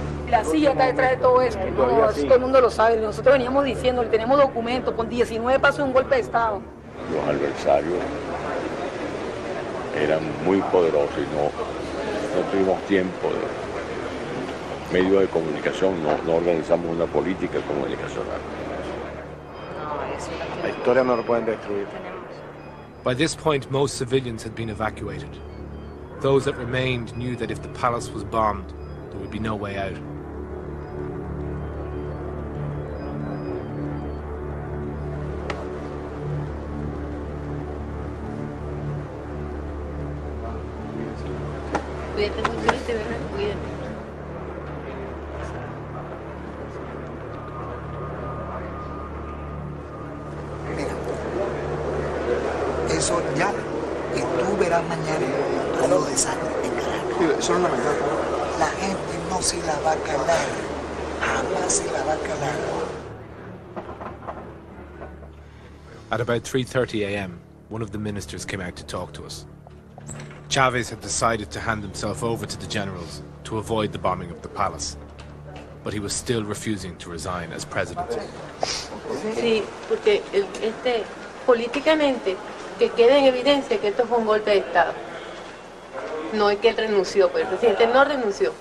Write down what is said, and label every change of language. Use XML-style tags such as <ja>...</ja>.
<es>La CIA está detrás de todo esto, no, todo el mundo lo sabe. Nosotros veníamos diciéndole, tenemos documentos con 19 pasos de un golpe de Estado. Los adversarios eran muy poderosos y no tuvimos tiempo de medio de comunicación, no organizamos una política comunicacional. La historia no lo pueden destruir.</es> <en>By this point, most civilians had been evacuated. Those that remained knew that if the palace was bombed, there would be no way out. We</en> <es>Cuídate mucho, y te verás, cuídate. Eso ya, que tú verás mañana algo de sangre en carajo. Eso es lamentable. La gente no se la va a calar. Jamás se la va a calar.</es> <en>At about 3:30 a.m., one of the ministers came out to talk to us. Chavez had decided to hand himself over to the generals to avoid the bombing of the palace, but he was still refusing to resign as president.</en> <es>Sí, porque políticamente que quede en evidencia que esto fue un golpe de estado. No es que él renunció, pero el presidente no renunció.</es>